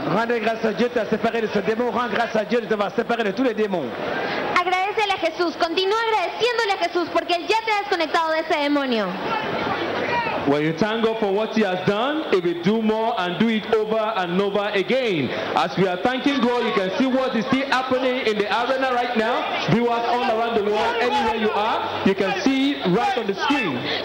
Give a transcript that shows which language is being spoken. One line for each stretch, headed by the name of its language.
French: Rendez grâce à Dieu de t'avoir séparé de ce démon. Rends grâce à Dieu de t'avoir séparé de tous les démons.
Spanish: Agradecele a Jesús. Continúa agradeciéndole a Jesús porque él ya te ha desconectado de ese demonio.
English: When you thank God for what he has done, he will do more and do it over and over again. As we are thanking God, you can see what is still happening in the arena right now. Viewers all around the world, anywhere you are, you can see right on the screen.